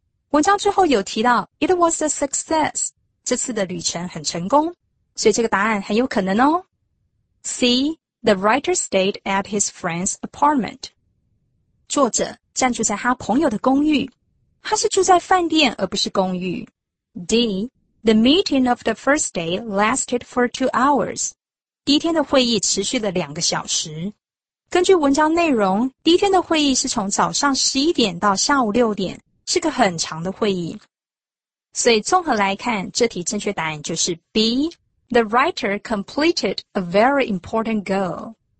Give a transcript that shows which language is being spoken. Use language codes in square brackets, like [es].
[zh] 文章最后有提到 [en] It was a successThe trip was very successful, so this answer is very possible. C. The writer stayed at his friend's apartment. [zh] 作者暂住在他朋友的公寓。他是住在饭店而不是公寓。 [en] D. The meeting of the first day lasted for 2 hours. [zh] 第一天的会议持续了两个小时。根据文章内容，第一天的会议是从早上11点到下午6点，是个很长的会议。所以综合来看，这题正确答案就是 B. [en] The writer completed a very important goal.